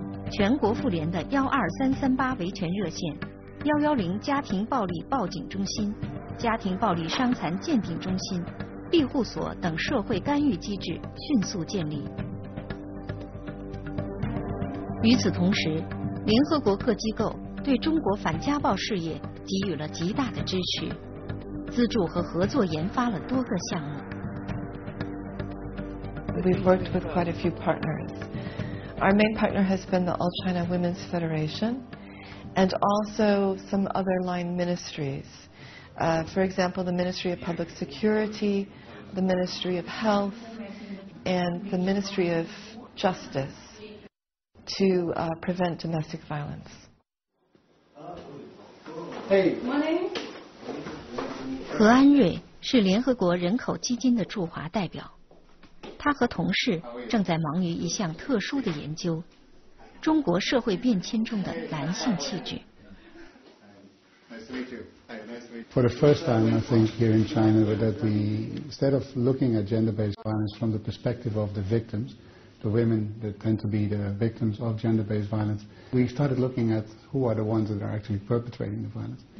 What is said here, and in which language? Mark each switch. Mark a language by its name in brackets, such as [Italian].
[Chinese] 全国妇联的12338维权热线、110家庭暴力报警中心、家庭暴力伤残鉴定中心、庇护所等社会干预机制迅速建立。与此同时，联合国各机构对中国反家暴事业给予了极大的支持，资助和合作研发了多个项目。 [English] We've worked with quite a few partners. Our main partner has been the All China Women's Federation, and also some other line ministries. For example, the Ministry of Public Security, the Ministry of Health, and the Ministry of Justice. To prevent domestic violence. Hey. Morning. [Chinese] 何安瑞是联合国人口基金的驻华代表，他和同事正在忙于一项特殊的研究——中国社会变迁中的男性气质。 [English] For the first time, I think here in China, that we instead of looking at gender-based violence from the perspective of the victims. The women that tend to be the victims of gender-based violence, we started looking at who are the ones that are actually perpetrating the violence.